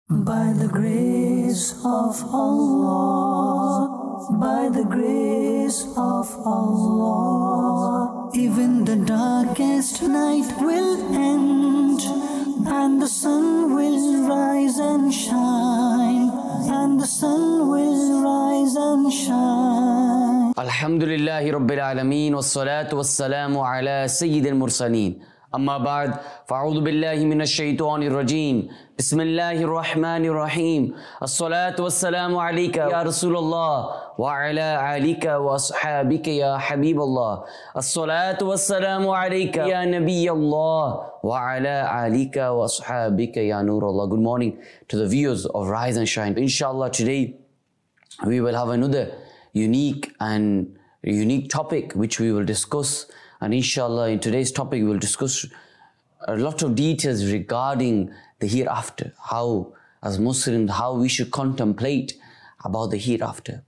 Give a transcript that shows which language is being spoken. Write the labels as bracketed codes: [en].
[en] By the grace of Allah, by the grace of Allah, even the darkest night will end, and the sun will rise and shine, and the sun will rise and shine. [ar] Alhamdulillahi Rabbil Alameen, wa salatu wa salamu ala Sayyid al-Mursaleen. أما بعد فأعوذ بالله من الشيطان الرجيم بسم الله الرحمن الرحيم الصلاة والسلام عليك يا رسول الله وعلى آلك وأصحابك يا حبيب الله الصلاة والسلام عليك يا نبي الله وعلى آلك وأصحابك يا نور الله. [en] Good morning to the viewers of Rise and Shine. Inshallah, today we will have another unique topic which we will discuss. And inshallah, in today's topic, we'll discuss a lot of details regarding the hereafter. How, as Muslims, how we should contemplate about the hereafter.